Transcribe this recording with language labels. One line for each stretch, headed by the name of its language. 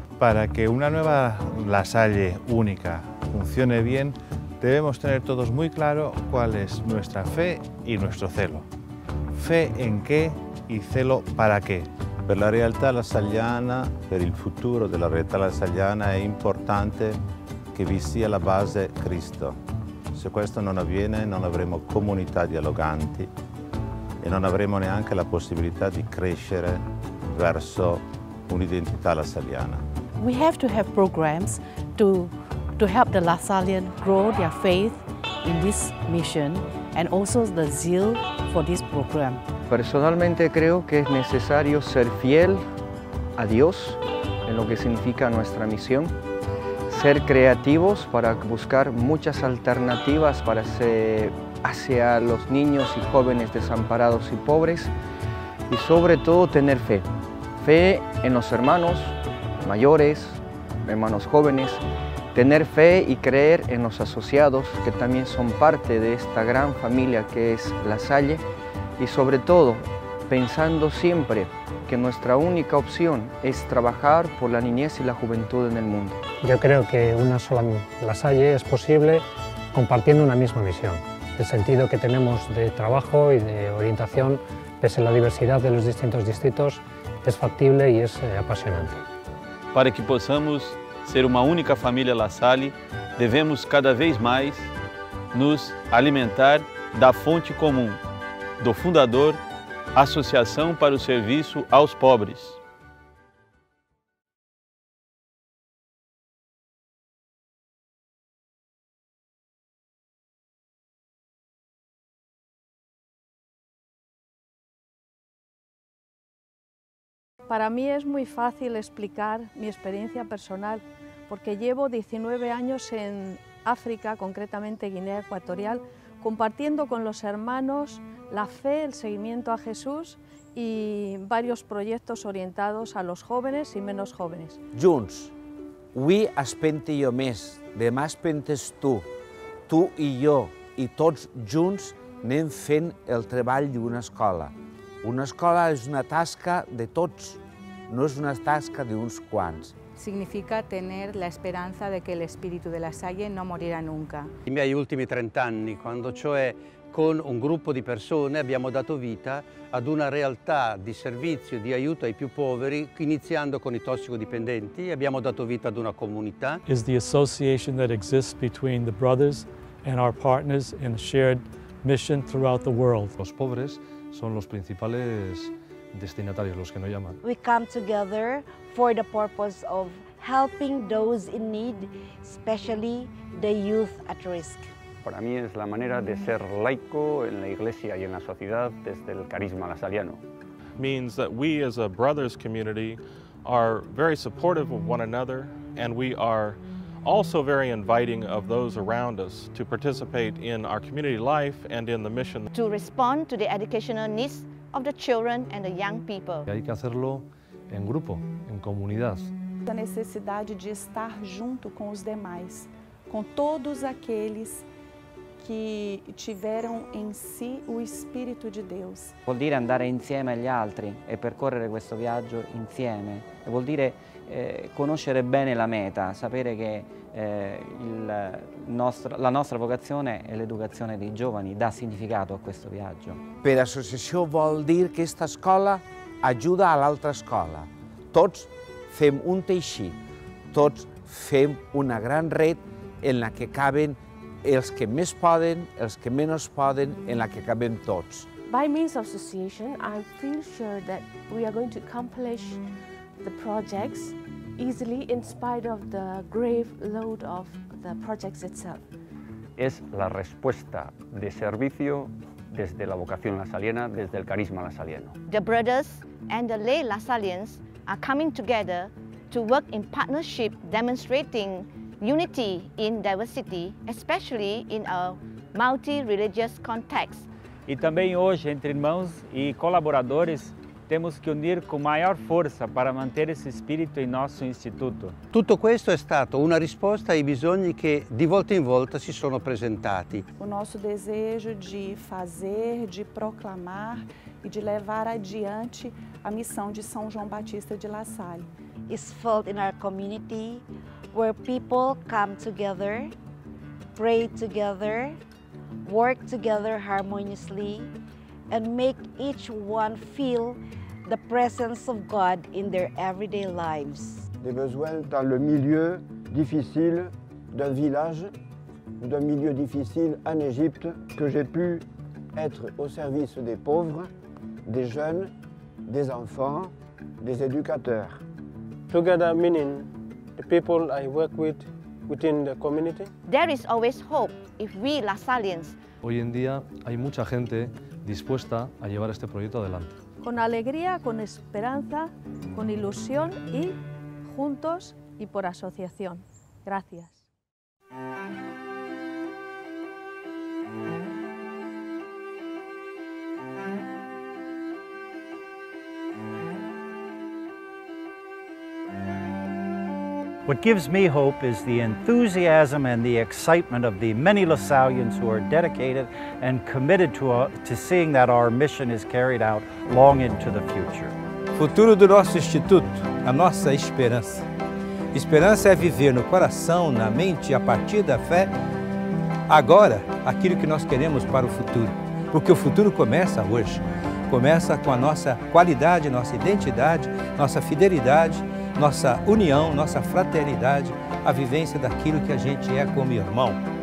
Spanish: Para que una nueva La Salle única funcione bien, debemos tener todos muy claro cuál es nuestra fe y nuestro celo. Fe en qué y celo para qué.
Italian: Per la realtà lasalliana, per il futuro della realtà lasalliana, è importante che vi sia la base Cristo. Se questo non avviene, non avremo comunità dialoganti e non avremo neanche la possibilità di crescere verso un'identità lasalliana.
English: We have to have programs to help the La Salian grow their faith in this mission and also the zeal for this program.
Spanish: Personalmente creo que es necesario ser fiel a Dios en lo que significa nuestra misión, ser creativos para buscar muchas alternativas para hacia los niños y jóvenes desamparados y pobres y sobre todo tener fe, fe en los hermanos mayores, hermanos jóvenes, tener fe y creer en los asociados que también son parte de esta gran familia que es La Salle y sobre todo pensando siempre que nuestra única opción es trabajar por la niñez y la juventud en el mundo. Yo creo que una sola La Salle es posible compartiendo una misma misión. El sentido que tenemos de trabajo y de orientación pese a la diversidad de los distintos distritos es factible y es apasionante.
Portuguese: Para que podamos ser uma única família La Salle, devemos cada vez mais nos alimentar da fonte comum, do fundador, Associação para o Serviço aos Pobres.
Spanish: Para mí es muy fácil explicar mi experiencia personal porque llevo 19 años en África, concretamente Guinea Ecuatorial, compartiendo con los hermanos la fe, el seguimiento a Jesús y varios proyectos orientados a los jóvenes y menos jóvenes.
Catalan: Junts, avui has pentit jo més, demà has pentit tu, tu i jo, i tots junts anem fent el treball d'una escola. Una escola és una tasca de tots,
Spanish: no es una tasca de unos cuantos. Significa tener la esperanza de que el espíritu de La Salle no morirá nunca.
Italian: I miei ultimi 30 anni, quando cioè con un gruppo di persone abbiamo dato vita ad una realtà di servizio, di aiuto ai più poveri, iniziando con i tossicodipendenti, abbiamo dato vita ad una comunità.
English: Is the association that exists between the brothers and our partners in a shared mission throughout the world.
Spanish: Los pobres son los principales destinatarios, los que nos llaman.
English: We come together for the purpose of helping those in need, especially the youth at risk.
Spanish: Para mí es la manera de ser laico en la iglesia y en la sociedad desde el carisma lasalliano.
English: Means that we as a brothers community are very supportive of one another, and we are also very inviting of those around us to participate in our community life and in the mission. To respond to the educational needs of the children and the young people.
Spanish: Hay que hacerlo en grupo, en comunidad. La necesidad de estar junto con los demás, con todos aquellos que tuvieron en sí el Espíritu de Dios.
Italian: Vuol dire andare insieme agli altri e percorrere questo viaggio insieme. Vuol dire conoscere bene la meta, sapere che la nostra vocazione è l'educazione dei giovani, dà significato a questo viaggio. Per associació vuol dire che questa scuola aiuta l'altra scuola.
Catalan: Tots fem un teixit, tots fem una gran red en la que caben els que més poden, els que menys poden, en la que cabem tots.
English: By means of association, I feel sure that we are going to accomplish the projects easily in spite of the grave load of the projects itself.
Spanish: Es la respuesta de servicio desde la vocación lasaliana, desde el carisma lasaliano.
English: The brothers and the lay lasalians are coming together to work in partnership, demonstrating unity in diversity, especially in a multi-religious context.
Portuguese: E também hoje, entre irmãos e colaboradores, temos que unir com maior força para manter esse espírito em nosso instituto.
Italian: Tutto questo è stato una risposta ai bisogni che di volta in volta si sono presentati.
Portuguese: O nosso desejo de fazer, de proclamar e de levar adiante a missão de São João Batista de La Salle.
English: Is felt in our community, where people come together, pray together, work together harmoniously, and make each one feel the presence of God in their everyday lives.
French: Des besoins dans le milieu difficile d'un village, d'un milieu difficile en Égypte, que j'ai pu être au service des pauvres, des jeunes, des enfants, des éducateurs.
English: Together meaning the people I work with within the community. There is always hope if we Lasallians.
Spanish: Hoy en día hay mucha gente dispuesta a llevar este proyecto adelante. Con alegría, con esperanza, con ilusión y juntos y por asociación. Gracias.
English: What gives me hope is the enthusiasm and the excitement of the many Lasallians who are dedicated and committed to seeing that our mission is carried out long into the future.
Portuguese: O futuro do nosso instituto, a nossa esperança. Esperança é viver no coração, na mente, a partir da fé, agora, aquilo que nós queremos para o futuro. Porque o futuro começa hoje. Começa com a nossa qualidade, nossa identidade, nossa fidelidade, nossa união, nossa fraternidade, a vivência daquilo que a gente é como irmão.